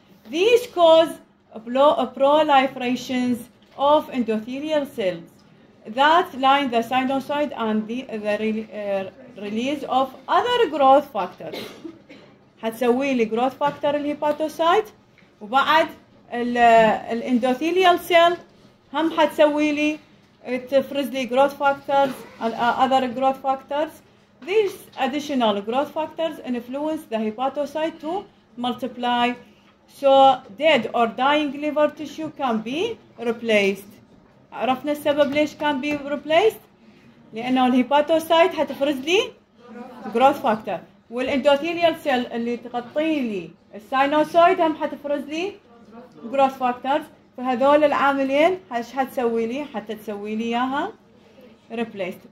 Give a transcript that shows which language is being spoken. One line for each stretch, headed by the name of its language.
English: This cause proliferations of endothelial cells that line the sinusoid and the release of other growth factors.
Arabic: حتسوي لي growth factor الهيباتوسايت وبعد الاندوثيليال سيل هم حتسوي لي تفرز لي growth factors other growth factors.
English: These additional growth factors influence the hepatocyte to multiply. So dead or dying liver tissue can be replaced.
Arabic: عرفنا السبب ليش
English: can be replaced؟
Arabic: لأنه الهيباتوسايت هتفرز لي growth factor. والإندوثيليال سيل اللي تغطي لي السينوسايت هم هتفرز لي growth factors. فهذول العاملين هش هتسوي لي؟ حتى تسوي لي إياها replaced.